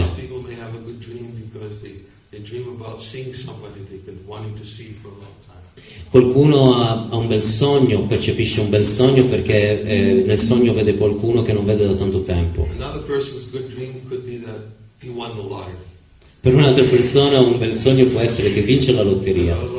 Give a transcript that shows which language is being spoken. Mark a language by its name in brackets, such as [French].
[English] Some people may have a good dream because they dream about seeing somebody they've been wanting to see for a long time. [Italian] Qualcuno ha un bel sogno, percepisce un bel sogno perché nel sogno vede qualcuno che non vede da tanto tempo. [English] Another person's good dream could be that he won the lottery. [Italian] Per un'altra persona un bel sogno può essere che vince la lotteria.